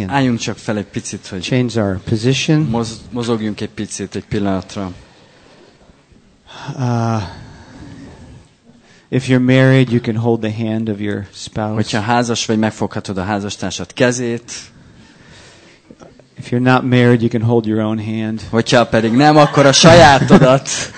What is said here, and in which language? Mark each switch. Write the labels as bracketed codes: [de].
[en] And [hu] álljunk csak fel egy picit, hogy [en] change our position. [hu] Mozogjunk egy picit, egy pillanatra. [en] If you're married, you can hold the hand of your spouse. [hu] Hogyha házas vagy, megfoghatod a házastársad kezét. [en] If you're not married, you can hold your own hand. [hu] Hogyha pedig nem, akkor a sajátodat.